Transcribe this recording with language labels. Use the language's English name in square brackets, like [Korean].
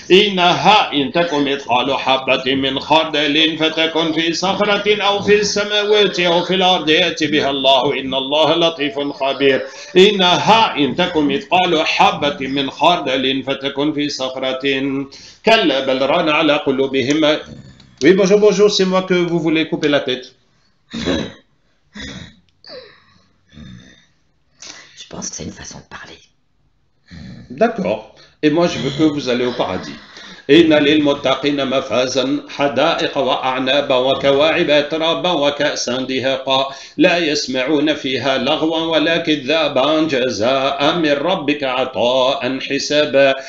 [Arabic] إنها إن تكن مثقال حبة من خردل فتكن في صخرة أو في السماوات أو في الأرض يأتي بها الله إن الله لطيف خبير إنها إن تكن مثقال حبة من خردل فتكن في صخرة كلا بل ران على قلوبهم [French] Oui, bonjour, bonjour, c'est moi que vous voulez couper la tête. pense que c'est une façon de parler. D'accord. Et moi, je veux que vous allez au paradis. [Arabic] إن للمتقين مفازا حدائق وأعنابا وكواعب ترابا وكأسا دهاقا لا يسمعون فيها لغوا ولا كذابا جزاء من ربك عطاء حسابا